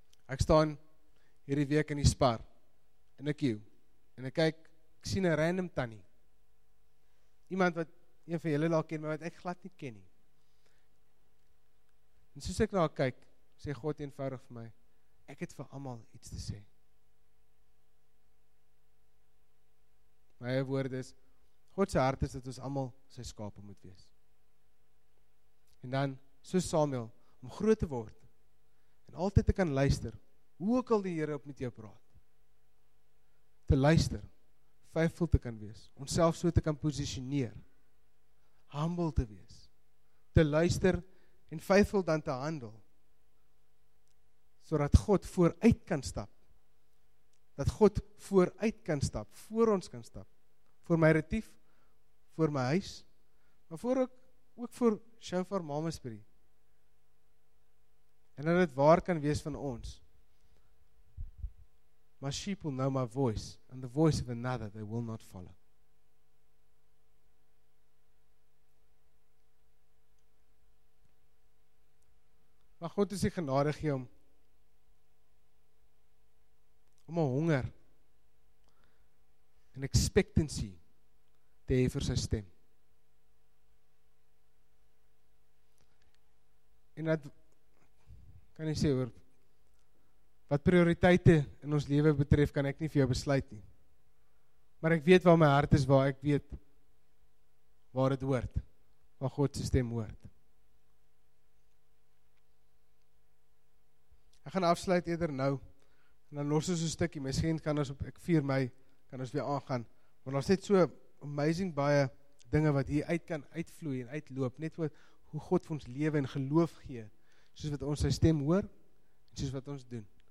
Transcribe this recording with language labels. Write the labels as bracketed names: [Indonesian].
[Afrikaans] Ek staan hierdie week in die Spar, in 'n queue, en ek kyk, ek sien 'n random tannie. Iemand wat een van julle daar ken, maar wat ek glad nie ken nie. En soos ek daar kyk, sê God eenvoudig vir my, ek het vir almal iets te sê. My woord is, God se hart is dat ons almal sy skape moet wees. En dan, soos Samuel, om groot te word, en altyd te kan luister, hoe ook al die Here op met jou praat, te luister, faithful te kan wees, onsself so te kan positioneer, humble te wees, te luister en faithful dan te handel, sodat God vooruit kan stap, dat God vooruit kan stap, voor ons kan stap, voor my Retief, voor my huis, maar voor ook voor Shofar Mamasbury, en dat het waar kan wees van ons. [English] My sheep will know my voice, and the voice of another they will not follow. [Afrikaans] Maar God is die genadig hier om 'n honger, [English] an expectancy [Afrikaans] te hê vir sy stem. En dat, kan jy sê oor, wat prioriteite in ons lewe betref, kan ek nie vir jou besluit nie. Maar ek weet waar my hart is, waar ek weet waar dit hoort, waar God se stem hoort. Ek gaan afsluit eerder nou, en dan los ons so 'n stukkie, miskien kan ons op, ek 4 Mei, kan ons weer aangaan, want daar's net so amazing baie dinge wat hier uit kan uitvloei en uitloop, net wat, hoe God vir ons lewe en geloof gee, soos wat ons sy stem hoor, en soos wat ons doen.